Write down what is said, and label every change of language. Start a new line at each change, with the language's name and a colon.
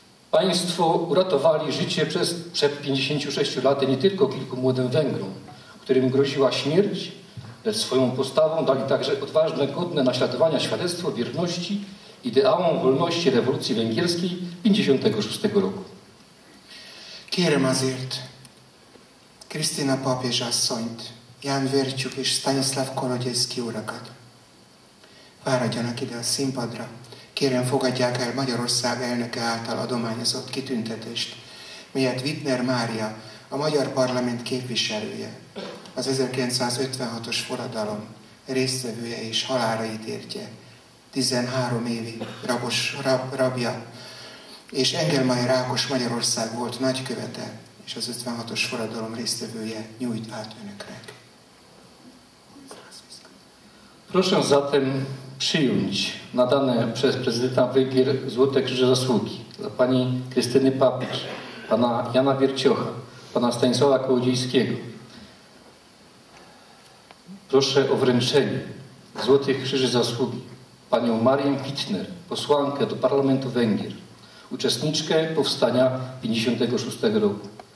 Polish: Państwo uratowali życie przed 56 laty nie tylko kilku młodym Węgrom, którym groziła śmierć, lecz swoją postawą dali także odważne, godne naśladowania świadectwo wierności ideałom wolności rewolucji węgierskiej 56 roku.
Hungarian: Kérem azért Krisztina papież asszonyt, Ján Vercsuk és Stanislav Kolodziejski urakat. Váradjanak ide a színpadra. Kérem fogadják el Magyarország elnöke által adományozott kitüntetést, melyet Wittner Mária, a Magyar Parlament képviselője, az 1956-os forradalom résztvevője és halálra ítéltje, 13 évi rabja, és Engelmeier Ákos Magyarország volt nagykövete, és az 56-os forradalom résztvevője nyújt át önöknek.
Polish: Proszę zatem przyjąć nadane przez prezydenta Węgier Złote Krzyże Zasługi dla pani Krystyny Papież, pana Jana Wierciocha, pana Stanisława Kołodziejskiego. Proszę o wręczenie Złotych Krzyży Zasługi panią Marię Wittner, posłankę do Parlamentu Węgier, uczestniczkę powstania 56 roku.